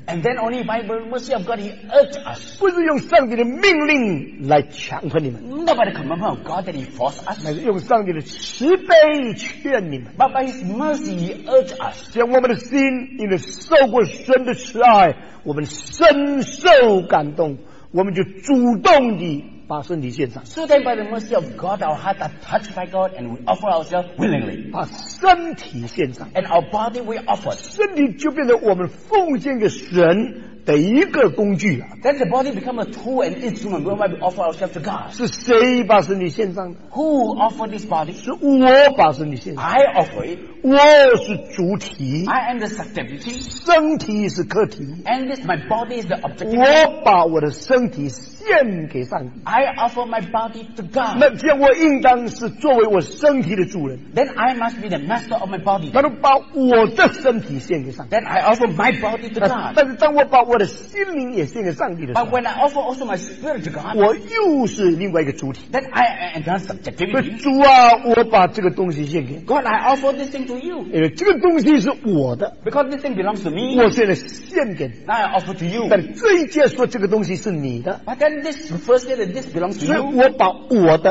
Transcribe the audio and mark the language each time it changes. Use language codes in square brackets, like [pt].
[en] And then only by the mercy of God, He urged us. [zh] 不是用上帝的命令来强迫你们。 [en] Not by the commandment of God that He forced us. [zh] 乃是用上帝的慈悲劝你们。 [en] But by His mercy, He urged us. [zh] 将我们的心, 因为受过神的慈爱, 我们深受感动, 我们就主动地 [en] So then by the mercy of God, our hearts are touched by God and we offer ourselves willingly. And our body we offer. Then the body becomes a tool and instrument whereby we offer ourselves to God. [zh] 是谁把身体献上的? [en] Who offered this body? [zh] 是我把身体献上的。 [en] I offer it. [zh] 我是主体。 [en] I am the subjectivity. [zh] 身体是客体。 [en] And this, my body is the objective. [zh] 我把我的身体献给上帝。 [en] I offer my body to God. [zh] 那将我应当是作为我身体的主人。 [en] Then I must be the master of my body. [zh] 那就把我的身体献给上帝。 [en] Then I offer my body to God. [zh] 但是当我把 我的心灵也献给上帝的时候, [en] but when I offer also my spirit to God, [zh] 我又是另外一个主体, [en] then I am another subjectivity. [zh] 主啊, 我把这个东西献给, [en] God, I offer this thing to you. [zh] 因为这个东西是我的, [en] because this thing belongs to me. [zh] 我现在献给, [en] now I offer to you. [zh] 但这一节说这个东西是你的, [en] but then this first day that this belongs to you.